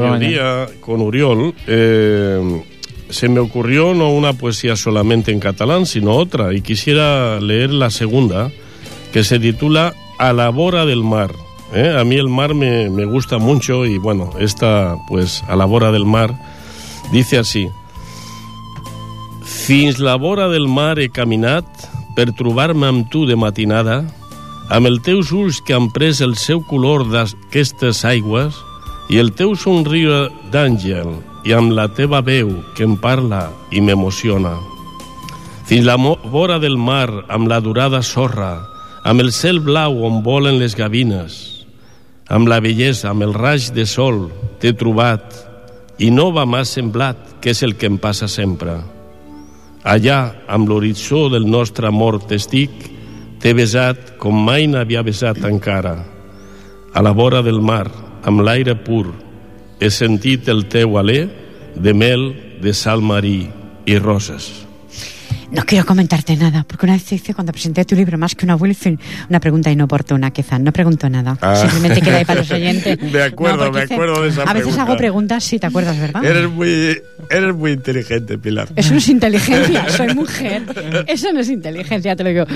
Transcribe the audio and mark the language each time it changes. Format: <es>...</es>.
<es>a mediodía, con Uriol, se me ocurrió no una poesía solamente en catalán, sino otra. Y quisiera leer la segunda, que se titula A la bora del mar. A mí el mar me gusta mucho y, bueno, esta, pues, A la bora del mar... Dice así:</es> <ca>Fins la vora del mar he caminat per trobar-me amb tu de matinada, amb els teus ulls que han pres el seu color d'aquestes aigües i el teu somriure d'àngel i amb la teva veu que em parla i m'emociona. Fins la vora del mar amb la durada sorra, amb el cel blau on volen les gavines, amb la bellesa, amb el raig de sol t'he trobat i no va m'ha semblat que és el que em passa sempre. Allà, amb l'horitzó del nostre amor t'estic, t'he besat com mai n'havia besat encara. A la vora del mar, amb l'aire pur, he sentit el teu alè de mel, de sal marí i roses.</ca> <es>No quiero comentarte nada, porque una vez hice cuando presenté tu libro Más que una Wilfin, una pregunta inoportuna, quizás. No pregunto nada. Simplemente queda ahí para los oyentes. De acuerdo, de esa pregunta. A veces hago preguntas, si te acuerdas, ¿verdad? Eres muy inteligente, Pilar. Eso no es inteligencia, soy mujer. Eso no es inteligencia, te lo digo.</es>